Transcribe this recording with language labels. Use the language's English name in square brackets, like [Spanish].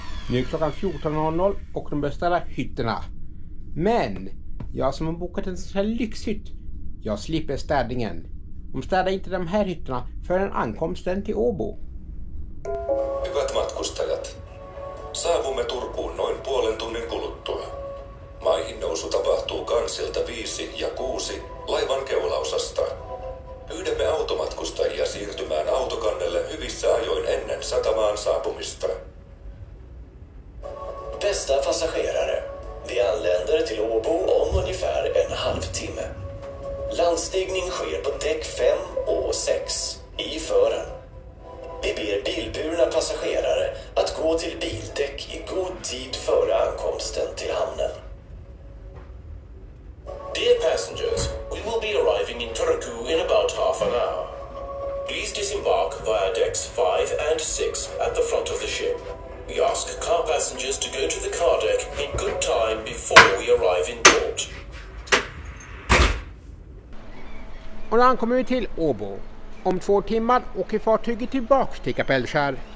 [Swedish] Nu är klockan 14.00 och de börjar ställa hytterna. Men jag som har bokat en sån här lyxhytt, jag slipper städningen. De städar inte de här hytterna förrän ankomsten till Åbo. [Finnish] Hyvät matkustajat, saavumme Turkuun noin puolen tunnin kuluttua. Maihin nousu tapahtuu kansilta 5 ja 6 laivan keulaosasta. Pyydämme automatkustajia siirtymään autokannelle hyvissä ajoin ennen satamaan saapumista. [Swedish] Bästa passagerare, vi anländer till Åbo om ungefär en halvtimme. Landstigning sker på däck 5 och 6 i fören. Vi ber bilburna passagerare att gå till bildäck i god tid före ankomsten till hamnen. [English] Dear passengers, we will be arriving in Turku in about half an hour. Please disembark via decks 5 and 6 at the front of the ship. We ask car passengers to go to the car deck in good time before we arrive in port. [Swedish] Och då ankommer vi till Åbo. Om 2 timmar åker fartyget tillbaka till Kapellskär.